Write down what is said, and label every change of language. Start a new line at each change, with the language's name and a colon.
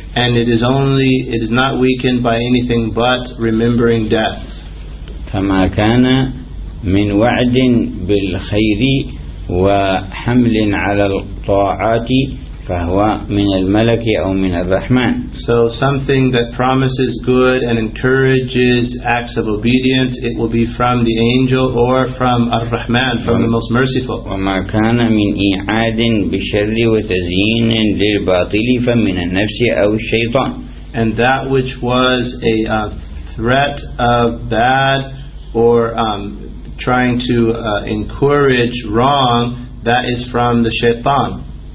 English: And it is not weakened by anything but remembering death.
Arabic: فما كان من وعد بالخير وحمل على الطاعات فهو من الملك أو من الرحمن.
English: So something that promises good and encourages acts of obedience, it will be from the angel or from الرحمن, from the most merciful.
Arabic: وما كان من إعاد بشر وتزيين للباطل فمن النفس أو الشيطان.
English: And that which was a threat of bad or trying to encourage wrong, that is from the shaitan.